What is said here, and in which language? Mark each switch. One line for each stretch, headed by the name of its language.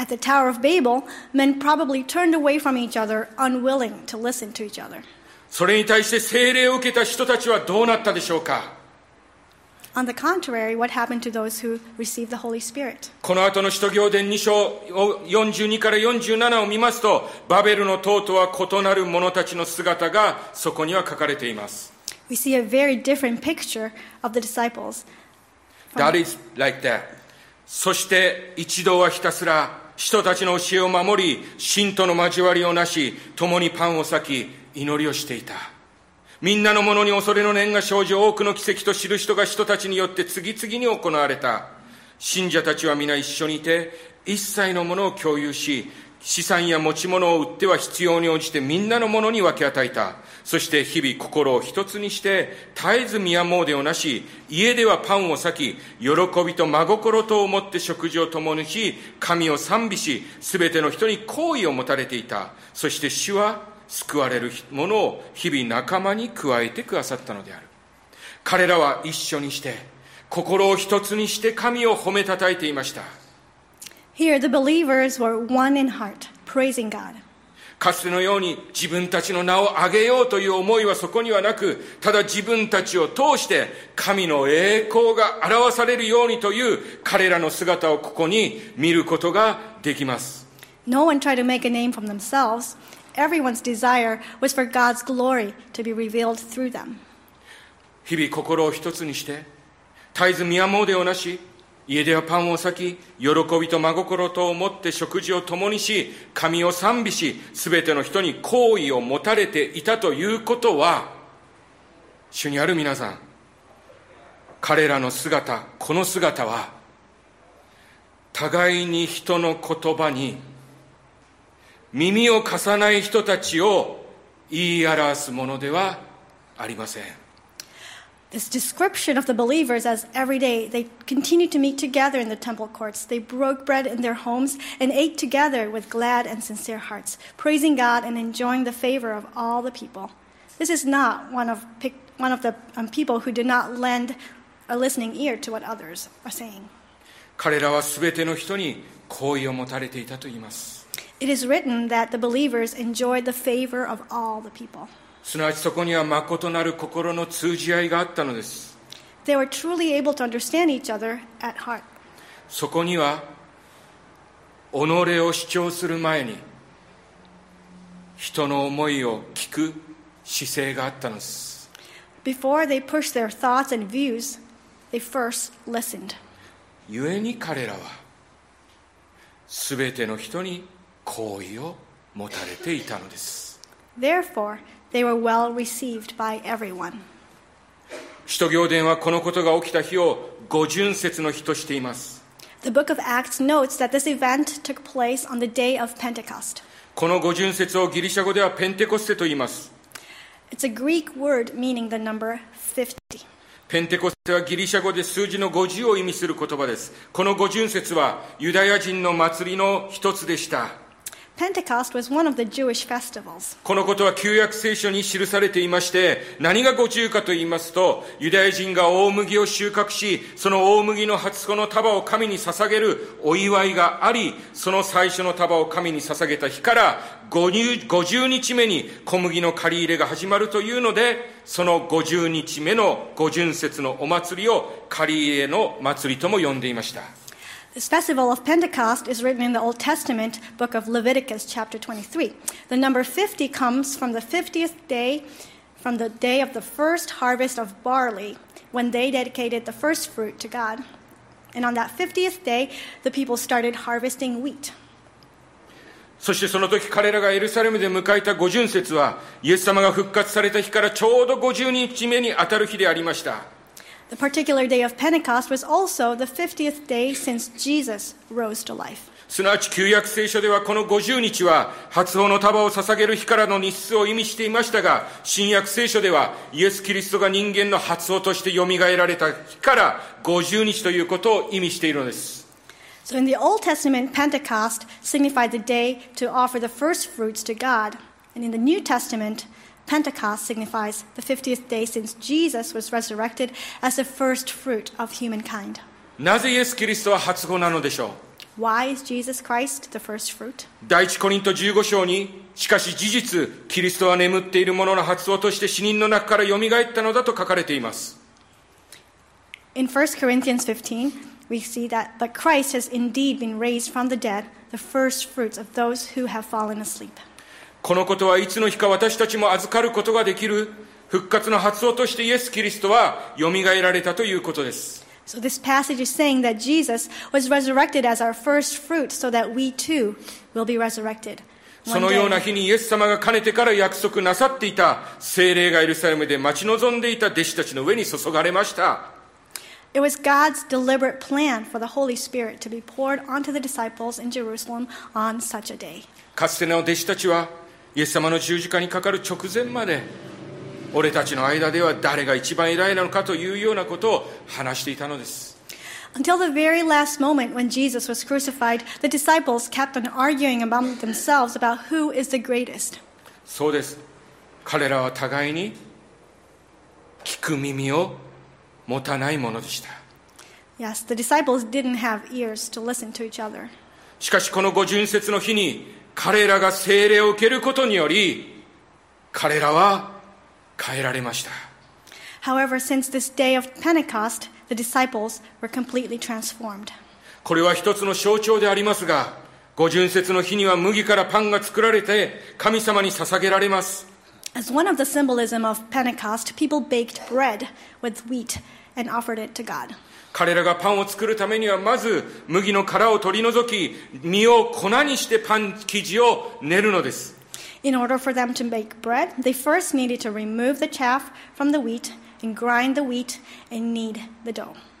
English: At the Tower of Babel, men probably turned away from each other, unwilling to listen to each other.
Japanese: それに対して聖霊を受けた人たちはどうなったでしょうか?
English: On the contrary, what happened to those who received the Holy Spirit?
Japanese: この後の使徒行伝2章42から47を見ますと、バベルの塔とは異なる者たちの姿がそこには書かれています。
English: We see a very different picture of the disciples. That is like that.
Japanese: そして一同はひたすら人たちの教えを守り、信徒の交わりをなし、共にパンを裂き祈りをしていた。みんなのものに恐れの念が生じ、多くの奇跡と知る人が人たちによって次々に行われた。信者たちは皆一緒にいて一切のものを共有し、資産や持ち物を売っては必要に応じてみんなのものに分け与えた。そして日々心を一つにして絶えず宮詣をなし、家ではパンを裂き、喜びと真心とをもって食事を共にし、神を賛美し、すべての人に好意を持たれていた。そして主は救われるものを日々仲間に加えてくださったのである。彼らは一緒にして心を一つにして神を褒めたたえていました。
English: Here the believers were one in heart, praising God.
Japanese: かつてのように自分たちの名を挙げようという思いはそこにはなく、ただ自分たちを通して神の栄光が表されるようにという彼らの姿をここに見ることができます。
English: No one tried to make a name for themselves. Everyone's desire was for God's glory to be revealed through them.
Japanese: 日々心を一つにして、絶えず宮詣をなし、家ではパンを裂き、喜びと真心とを持って食事を共にし、神を賛美し、すべての人に好意を持たれていたということは、主にある皆さん、彼らの姿、この姿は、互いに人の言葉に耳を貸さない人たちを言い表すものではありません。
English: This description of the believers as every day they continued to meet together in the temple courts. They broke bread in their homes and ate together with glad and sincere hearts, praising God and enjoying the favor of all the people. This is not one of the people who did not lend a listening ear to what others are saying.
Japanese: 彼らはすべての人に好意を持たれていたと言います。
English: It is written that the believers enjoyed the favor of all the people.
Japanese: すなわちそこにはまことなる心の通じ合いがあったのです。
English: They were truly able to understand each other at heart.
Japanese: そこには己を主張する前に人の思いを聞く姿勢があったのです。
English: Before they pushed their thoughts and views, they first listened.
Japanese: ゆえに彼らはすべての人に好意を持たれていたのです。
English: Therefore, they were well received by everyone.
Japanese: 使徒行伝はこのことが起きた日を五旬節の日としています。
English: The book of Acts notes that this event took place on the day of Pentecost.
Japanese: この五旬節をギリシャ語ではペンテコステと言います。
English: It's a Greek word meaning the number 50.
Japanese: ペンテコステはギリシャ語で数字の50を意味する言葉です。この五旬節はユダヤ人の祭りの一つでした。
English: Pentecost was one of the Jewish festivals.
Japanese: このことは旧約聖書に記されていまして、何が五旬かと言いますと、ユダヤ人が大麦を収穫し、その大麦の初穂の束を神に捧げるお祝いがあり、その最初の束を神に捧げた日から50日目に小麦の刈り入れが始まるというので、その50日目の五旬節のお祭りを刈り入れの祭りとも呼んでいました。
English: This festival of Pentecost is written in the Old Testament book of Leviticus chapter 23. The number 50 comes from the 50th day, from the day of the first harvest of barley, when they dedicated the first fruit to God. And on that 50th day, the people started harvesting wheat.
Japanese: そしてその時彼らがエルサレムで迎えた五旬節は、イエス様が復活された日からちょうど50日目に当たる日でありました。
English: The particular day of Pentecost was also the 50th day since Jesus rose to life.
Japanese: すなわち旧約聖書ではこの50日は初穂の束を捧げる日からの日数を意味していましたが、新約聖書ではイエス・キリストが人間の初穂として蘇られた日から50日ということを意味しているのです。
English: So in the Old Testament, Pentecost signified the day to offer the first fruits to God. And in the New Testament,Pentecost signifies the 50th day since Jesus was resurrected as the first fruit of humankind.
Japanese: なぜイエス・キリストは初穂なのでしょう?
English: Why is Jesus Christ the first fruit?
Japanese: 第一コリント15章に、しかし事実、キリストは眠っている者の初穂として死人の中から蘇ったのだと書かれています。
English: In 1 Corinthians 15, we see that the Christ has indeed been raised from the dead, the first fruits of those who have fallen asleep.
Japanese: このことはいつの日か私たちも預かることができる復活の初穂としてイエス・キリストはよみがえられたということです。
English: So this passage is saying that Jesus was resurrected as our first fruit so that we too will be resurrected.
Japanese: そのような日にイエス様がかねてから約束なさっていた聖霊がエルサレムで待ち望んでいた弟子たちの上に注がれました。
English: It was God's deliberate plan for the Holy Spirit to be poured onto the disciples in Jerusalem on such a day.
Japanese: かつての弟子たちはイエス様の十字架にかかる直前まで俺たちの間では誰が一番偉いなのかというようなことを話していたのです。
English: Until the very last moment when Jesus was crucified, the disciples kept on arguing among themselves about who is the greatest.
Japanese: そうです。彼らは互いに聞く耳を持たないものでした。
English: Yes, the disciples didn't have ears to listen to each other.
Japanese: しかしこの五旬節の日に彼らが聖霊を受けることにより彼らは変えられました。
English: However, since this day of Pentecost, the disciples were completely transformed.
Japanese: これは一つの象徴でありますが、五旬節の日には麦からパンが作られて神様に捧げられます。
English: As one of the symbolism of Pentecost, people baked bread with wheat and offered it to God.
Japanese: 彼らがパンを作るためにはまず麦の殻を取り除き、身を粉にしてパン生地を練るのです。
English: In order for them to make bread, they first needed to remove the chaff from the wheat and grind the wheat and knead the dough.